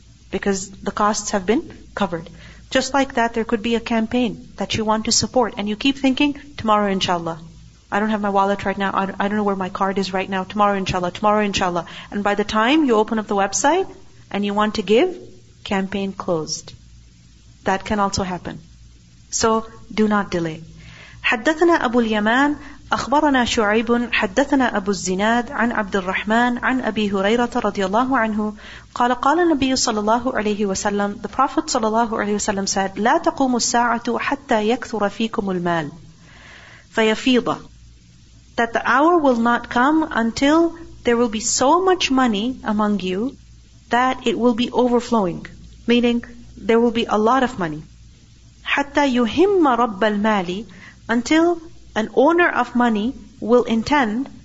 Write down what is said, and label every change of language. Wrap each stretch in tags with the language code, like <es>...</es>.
<en>Because the costs have been covered. Just like that, there could be a campaign that you want to support, and you keep thinking, tomorrow inshallah. I don't have my wallet right now, I don't know where my card is right now, tomorrow inshallah. And by the time you open up the website and you want to give, campaign closed. That can also happen. So, do not delay.</en> <ar>حدثنا أبو اليمان أخبرنا شعيب حدثنا أبو الزناد عن عبد الرحمن عن أبي هريرة رضي الله عنه قال قال النبي صلى الله عليه وسلم</ar> <en>The Prophet</en> <ar>صلى الله عليه وسلم</ar> <en>said</en> <ar>لا تقوم الساعة حتى يكثر فيكم المال فيفيض.</ar> <en>That the hour will not come until there will be so much money among you that it will be overflowing. Meaning, there will be a lot of money.</en> <ar>حَتَّى يُهِمَّ رَبَّ الْمَالِ.</ar> <en>Until an owner of money will intend,</en>